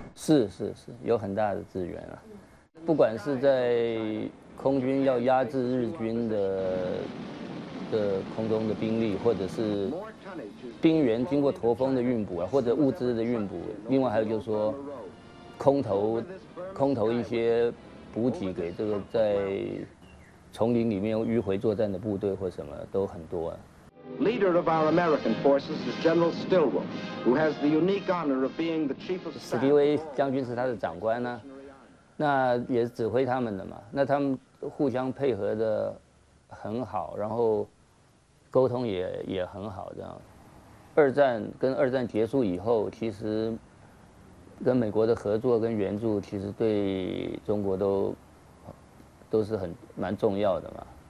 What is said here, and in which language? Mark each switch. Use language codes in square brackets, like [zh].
[zh] 是是是有很大的支援啊。不管是在空军要压制日军的空中的兵力，或者是兵员经过驼峰的运补啊，或者物资的运补，另外还有就是说空投一些补给给这个在丛林里面迂回作战的部队或什么都很多啊。 [en] Leader of our American forces is General Stilwell, who has the unique honor of being the chief of staff. [zh] 史迪威将军是他的长官呢、啊，那也是指挥他们的嘛。那他们互相配合的很好，然后沟通也很好这样。二战跟二战结束以后，其实跟美国的合作跟援助，其实对中国都是很蛮重要的嘛。